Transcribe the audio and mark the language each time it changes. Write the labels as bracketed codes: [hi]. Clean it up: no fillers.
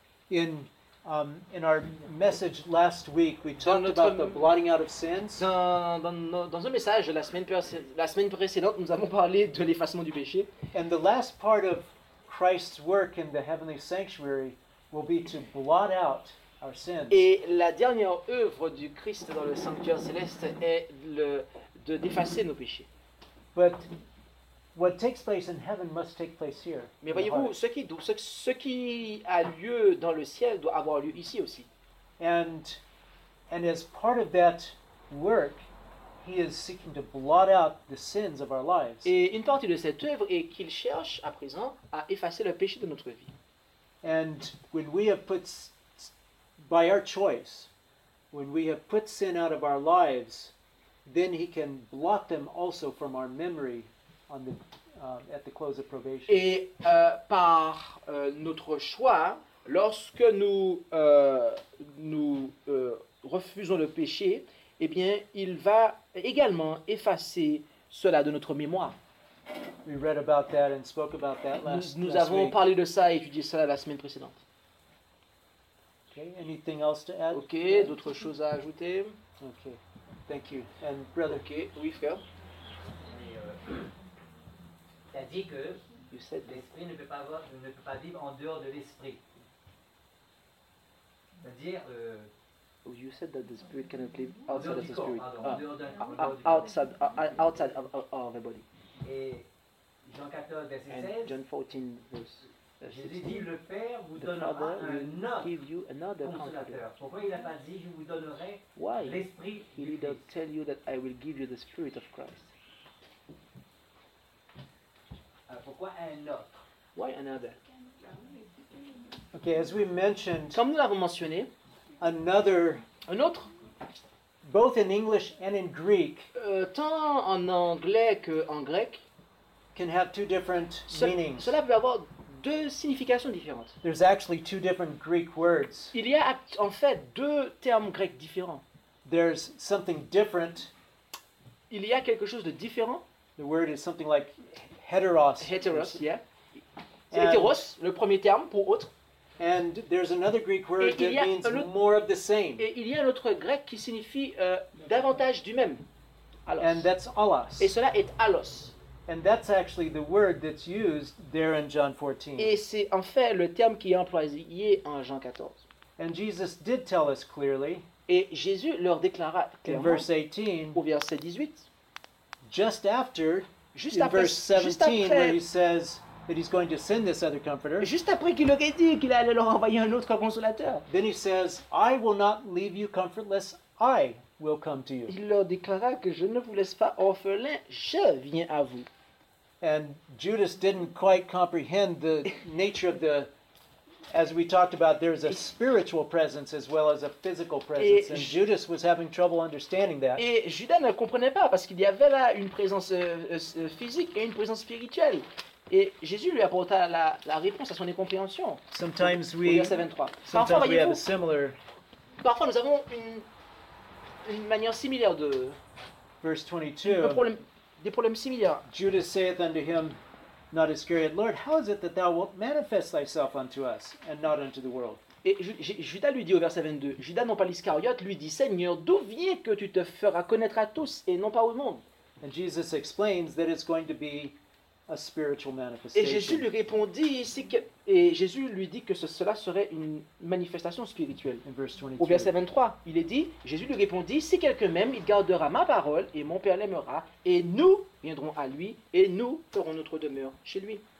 [en] In our message last week, we talked about the blotting out of sins. [fr] Dans un message la semaine précédente, nous avons parlé de l'effacement du péché. [en] And the last part of Christ's work in the heavenly sanctuary will be to blot out our sins. [fr] Et la dernière œuvre du Christ dans le sanctuaire céleste est de d'effacer nos péchés. [en] But what takes place in heaven must take place here. [fr] Mais voyez-vous, ce qui a lieu dans le ciel doit avoir lieu ici aussi. [en] And as part of that work, he is seeking to blot out the sins of our lives. [fr] Et une partie de cette œuvre est qu'il cherche à présent à effacer le péché de notre vie. [en] And when we have put by our choice, when we have put sin out of our lives, then he can blot them also from our memory. At the close of probation. [fr] Et par notre choix, lorsque nous refusons le péché, eh bien, il va également effacer cela de notre mémoire. [en] We read about that and spoke about that [fr] nous avons [en] week. [fr] Parlé de ça et étudié cela la semaine précédente. [en] Okay, anything else to add? [fr] Ok, d'autres choses à ajouter? [en] Ok, thank you. And brother. [fr] Ok, oui, frère. C'est-à-dire que l'esprit ne peut pas vivre en dehors de l'esprit. C'est-à-dire. [en] You said that the spirit cannot live outside of the spirit. Outside of the body. [fr] Et Jean 14, verset 16. [en] John 14, verse 16. [fr] Jésus dit, le Père vous donnera un autre consolateur. Pourquoi il n'a pas dit, je vous donnerai l'esprit du Christ? [en] He did not tell you that I will give you the spirit of Christ. [fr] Pourquoi un autre? [en] Why another? Okay, as we mentioned, [fr] comme nous l'avons mentionné, [en] another, [fr] un autre, [en] both in English and in Greek, [fr] tant en anglais qu'en grec, [en] can have two different meanings. [fr] Cela peut avoir deux significations différentes. [en] There's actually two different Greek words. [fr] Il y a en fait deux termes grecs différents. [en] There's something different. [fr] Il y a quelque chose de différent. [en] The word is something like heteros. [fr] Heteros, yeah. C'est hétéros, le premier terme pour autre. [en] And there's another Greek word that means more of the same. [fr] Et il y a un autre grec qui signifie davantage du même. [en] Alos. And that's alos. [fr] Et cela est alos. [en] And that's actually the word that's used there in John 14. [fr] Et c'est en fait le terme qui est employé en Jean 14. [en] And Jesus did tell us clearly. [fr] Et Jésus leur déclara clairement. [en] In verse 18. [fr] Au verset 18. [en] Just after. [fr] Juste après. [en] In verse 17, where he says that he's going to send this other comforter. [fr] Juste après qu'il leur ait dit qu'il allait leur envoyer un autre consolateur. [en] Then he says, I will not leave you comfortless. I will come to you. [fr] Il leur déclara que je ne vous laisse pas orphelin, je viens à vous. [en] And Judas didn't quite comprehend the nature of the, as we talked about, there's a spiritual presence as well as a physical presence, and Judas was having trouble understanding that. [fr] Et Judas ne comprenait pas parce qu'il y avait là une présence physique et une présence spirituelle. Et Jésus lui apporta la réponse à son incompréhension. [en] Sometimes we, [fr] verset 23. [en] Sometimes we have a similar. [fr] Parfois nous avons une manière similaire de [en] verse 22. [fr] Des problèmes similaires. [en] Judas saith unto him, not Iscariot, Lord, how is it that thou wilt manifest thyself unto us and not unto the world? [fr] Et Judas lui dit au verset 22, Judas non pas l'Iscariote lui dit, Seigneur, d'où vient que tu te feras connaître à tous et non pas au monde? [en] And Jesus explains that it's going to be a spiritual manifestation. [fr] Et Jésus lui répondit ici que cela serait une manifestation spirituelle. [en] In verse 22. [fr] Au verset 23, il est dit, Jésus lui répondit, si quelqu'un m'aime, il gardera ma parole et mon Père l'aimera et nous viendrons à lui et nous ferons notre demeure chez lui.